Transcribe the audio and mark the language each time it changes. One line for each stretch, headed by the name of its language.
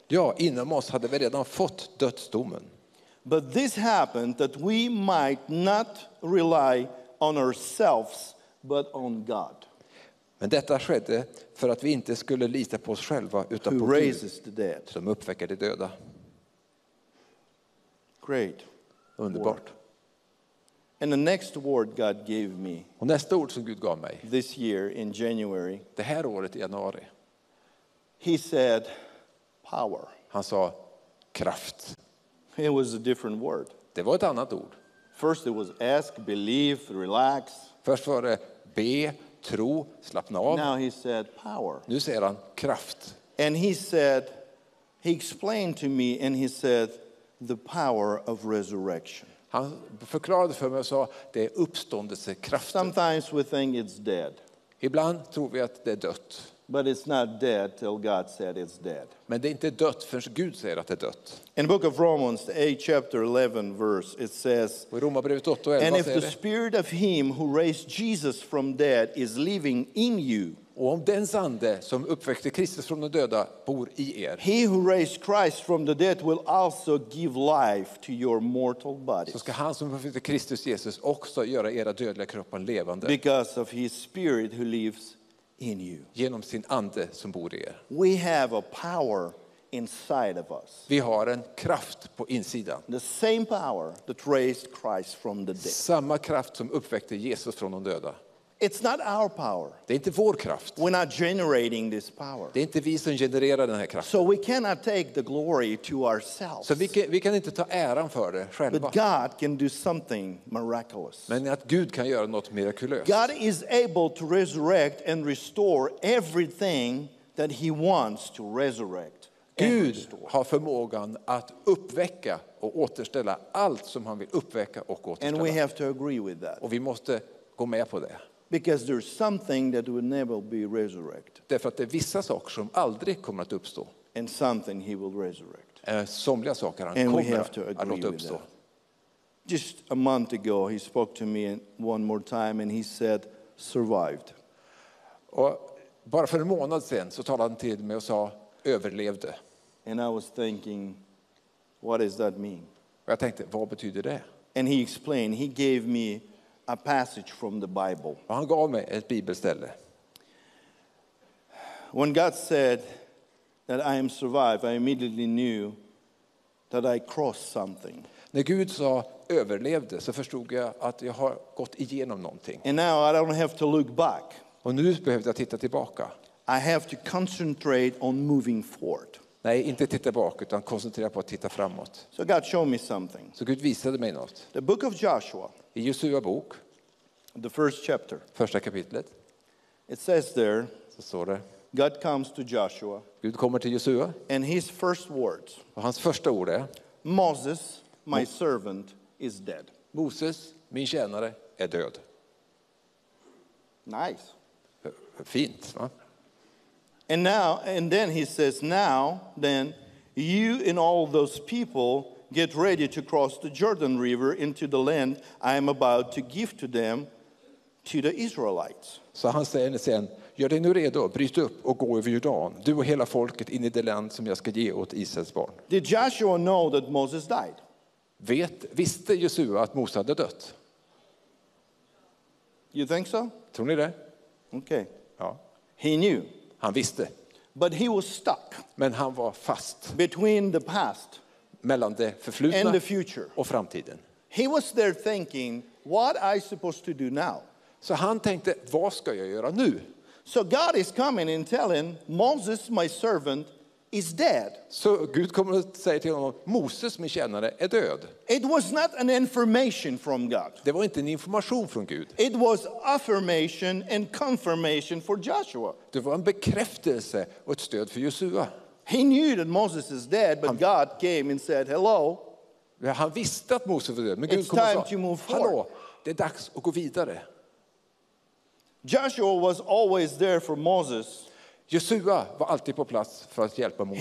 Swedish: Ja, inom oss hade vi redan fått dödsdomen.
English: But this happened that we might not rely on ourselves, but on God.
Swedish: Men detta skedde för att vi inte skulle lita på oss själva, utan
English: who
Swedish: på Gud,
English: raises the dead.
Swedish: Som uppväcker de döda.
English: Great.
Swedish: Underbart.
English: And the next word God gave me.
Swedish: Och nästa ord som Gud gav mig.
English: This year in January.
Swedish: Det här året i januari.
English: He said, power.
Swedish: Han sa, kraft.
English: It was a different word.
Swedish: Det var ett annat ord.
English: First it was ask, believe, relax.
Swedish: Först var det be, tro, slappna av.
English: Now he said, power.
Swedish: Nu säger han, kraft.
English: And he said, he explained to me and he said, the power of resurrection.
Swedish: Han förklarade för mig och sa det är uppståndelsekraften.
English: Sometimes we think it's dead.
Swedish: Ibland tror vi att det är dött.
English: But it's not dead till God said it's dead.
Swedish: Men det är inte dött förrän Gud säger att det är dött.
English: In the book of Romans, 8 chapter 11 verse, it says,
Swedish: i Romarbrevet 8 och 11,
English: and if the spirit of him who raised Jesus from dead is living in you.
Swedish: Och om den ande som uppväckte Kristus från de döda bor i er.
English: He who raised Christ from the dead will also give life to your mortal bodies.
Swedish: Så ska han som uppväckte Kristus Jesus också göra era dödliga kroppar levande.
English: Because of his spirit who lives in you.
Swedish: Genom sin ande som bor i er.
English: We have a power inside of us.
Swedish: Vi har en kraft på insidan.
English: The same power that raised Christ from the dead.
Swedish: Samma kraft som uppväckte Jesus från de döda.
English: It's not our power.
Swedish: Det är inte vår kraft.
English: We're not generating this power.
Swedish: Det är inte vi som genererar den här kraften.
English: So we cannot take the glory to ourselves.
Swedish: Så vi kan inte ta äran för det själva.
English: But God can do something miraculous.
Swedish: Men att Gud kan göra något mirakulöst.
English: God is able to resurrect and restore everything that he wants to resurrect.
Swedish: Gud har förmågan att uppväcka och återställa allt som han vill uppväcka och återställa.
English: And we have to agree with that.
Swedish: Och vi måste gå med på det.
English: Because there's something that will never be resurrected.
Swedish: Därför att det är vissa saker som aldrig kommer att uppstå.
English: And something he will resurrect.
Swedish: Somliga saker han
English: and
Swedish: kommer att låta uppstå.
English: Just a month ago he spoke to me one more time and he said, survived.
Swedish: Och bara för en månad sen så talade han till mig och sa, överlevde.
English: And I was thinking, what does that mean?
Swedish: Och jag tänkte, vad betyder det?
English: And he explained, he gave me a passage from the Bible.
Swedish: Och han gav mig ett bibelställe.
English: When God said that I am survived, I immediately knew that I crossed something.
Swedish: När Gud sa överlevde så förstod jag att jag har gått igenom någonting.
English: And now I don't have to look back.
Swedish: Och nu behöver jag titta tillbaka.
English: I have to concentrate on moving forward.
Swedish: Nej, inte titta bak utan koncentrera på att titta framåt.
English: So God showed me something.
Swedish: Så Gud visade mig något.
English: The book of Joshua.
Swedish: I Josua bok,
English: the first chapter,
Swedish: första kapitlet,
English: it says there,
Swedish: så står det,
English: God comes to Joshua,
Swedish: Gud kommer till Josua,
English: and his first words,
Swedish: och hans första ord är,
English: Moses, my servant, is dead.
Swedish: Moses, min tjänare, är död.
English: Nice.
Swedish: Fint, va?
English: And then he says, now, then, You and all those people get ready to cross the Jordan River into the land I am about to give to them, to the Israelites.
Swedish: Så han säger sen, gör dig nu redo, bryt upp och gå över Jordan, du och hela folket in I det land som jag ska ge åt Israels barn.
English: Did Joshua know that Moses died?
Swedish: Visste Josua att Mose hade dött?
English: You think so?
Swedish: Tror ni det?
English: Okay.
Swedish: Ja.
English: He knew.
Swedish: Han visste.
English: But he was stuck.
Swedish: Men han var fast.
English: Between the past.
Swedish: Mellan det förflutna.
English: And the future.
Swedish: Och framtiden.
English: He was there thinking, what am I supposed to do now?
Swedish: Så han tänkte, vad ska jag göra nu?
English: So God is coming and telling Moses, my servant, is dead.
Swedish: Så Gud kommer att säga till honom, Moses, min tjänare, är död.
English: It was not an information from God.
Swedish: Det var inte en information från Gud.
English: It was affirmation and confirmation for Joshua.
Swedish: Det var en bekräftelse och ett stöd för Josua.
English: He knew that Moses is dead, but God came and said, hello.
Swedish: Han visste att Moses var död, men Gud kom och sa, hallå, det är dags att gå vidare.
English: Joshua was always there for Moses.
Swedish: Josua var alltid på plats för att hjälpa Mose.